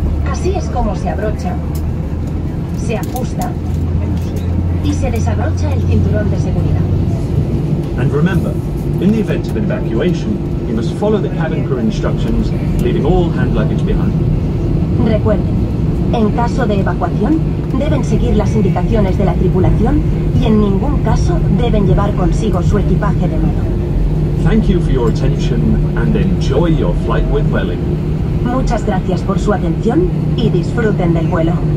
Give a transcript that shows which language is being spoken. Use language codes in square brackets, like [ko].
[es] Así es como se abrocha, se ajusta y se desabrocha el cinturón de seguridad. [en] And remember, in the event of an evacuation, you must follow the cabin crew instructions, leaving all hand luggage behind. [es] Recuerden, en caso de evacuación, deben seguir las indicaciones de la tripulación y en ningún caso deben llevar consigo su equipaje de mano. [en] Thank you for your attention and enjoy your flight with Vueling. [es] Muchas gracias por su atención y disfruten del vuelo.